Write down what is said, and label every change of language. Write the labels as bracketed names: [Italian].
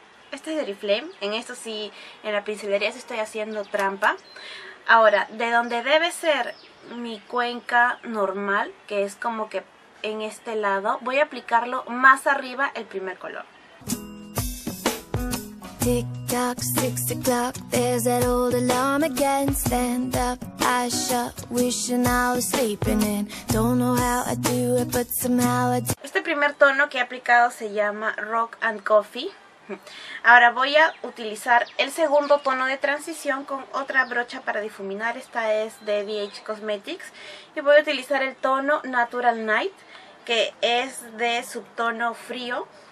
[Spanish] Este es de Oriflame, en esto sí, en la pincelería sí estoy haciendo trampa. Ahora, de donde debe ser mi cuenca normal, que es como que en este lado, voy a aplicarlo más arriba el primer color. [English] Tic tac, six o'clock, there's that old alarm again. Stand up, I shut, wishing I was sleeping in. Don't know how I do it, but somehow I do. [Spanish] Este primer tono que he aplicado se llama Rock and Coffee. Ahora voy a utilizar el segundo tono de transición con otra brocha para difuminar. Esta es de VH Cosmetics. Y voy a utilizar el tono Natural Night, que es de subtono frío.